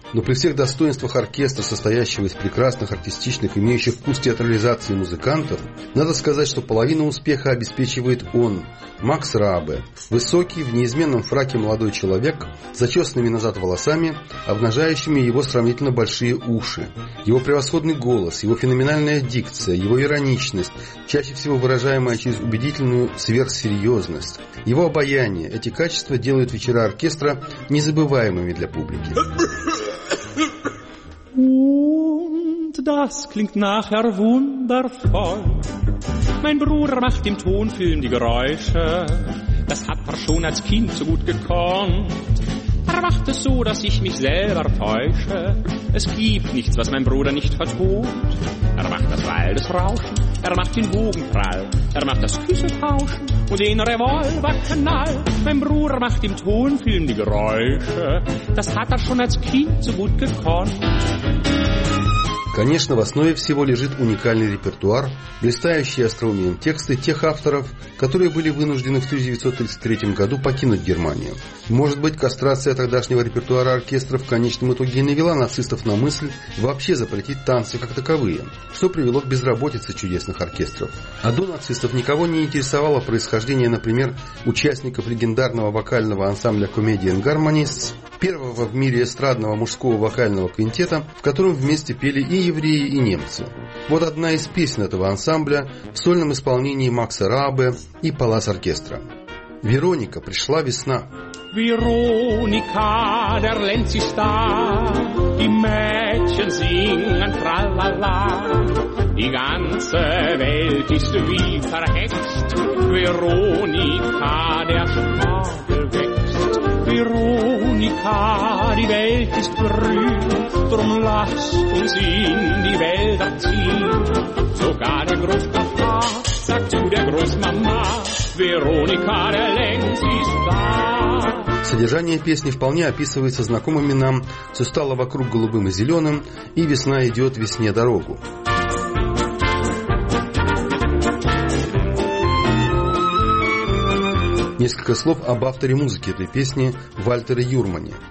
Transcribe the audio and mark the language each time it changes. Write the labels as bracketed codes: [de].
[ru] Но при всех достоинствах оркестра, состоящего из прекрасных, артистичных, имеющих вкус театрализации музыкантов, надо сказать, что половину успеха обеспечивает он, Макс Раабе, высокий, в неизменном фраке молодой человек, зачесанными назад волосами, обнажающими его сравнительно большие уши. Его превосходный голос, его феноменальная дикция, его ироничность, чаще всего выражаемая через убедительную сверхсерьезность, его обаяние, эти качества делают вечера оркестра незабываемыми для публики. [de] Und das klingt nachher wundervoll. Mein Bruder macht im Tonfilm die Geräusche. Das hat er schon als Kind so gut gekonnt. Er macht es so, dass ich mich selber täusche. Es gibt nichts, was mein Bruder nicht vertont. Macht das Waldesrauschen, macht den Bogenprall. Macht das Küssetauschen und den Revolverknall. Mein Bruder macht im Tonfilm die Geräusche. Das hat schon als Kind so gut gekonnt. [ru] Конечно, в основе всего лежит уникальный репертуар, блистающие остроумием тексты тех авторов, которые были вынуждены в 1933 году покинуть Германию. Может быть, кастрация тогдашнего репертуара оркестра в конечном итоге и навела нацистов на мысль вообще запретить танцы как таковые, что привело к безработице чудесных оркестров. А до нацистов никого не интересовало происхождение, например, участников легендарного вокального ансамбля «Comedian Harmonists», первого в мире эстрадного мужского вокального квинтета, в котором вместе пели и евреи, и немцы. Вот одна из песен этого ансамбля в сольном исполнении Макса Раабе и палас-оркестра. «Вероника, пришла весна». [de] Вероника, der Lenz ist da, die Mädchen singen tra-la-la, die ganze Welt ist wie verhext, Vironika, der Spargel wächst, Vironika, die Welt ist grün, drum lasst uns in die Wälder ziehen, sogar der Großpapa sagt zu der Großmama, Vironika, der Lenz ist da. [ru] Содержание песни вполне описывается знакомыми нам «Все стало вокруг голубым и зеленым, и весна идет весне дорогу». Несколько слов об авторе музыки этой песни Вальтере Юрмане.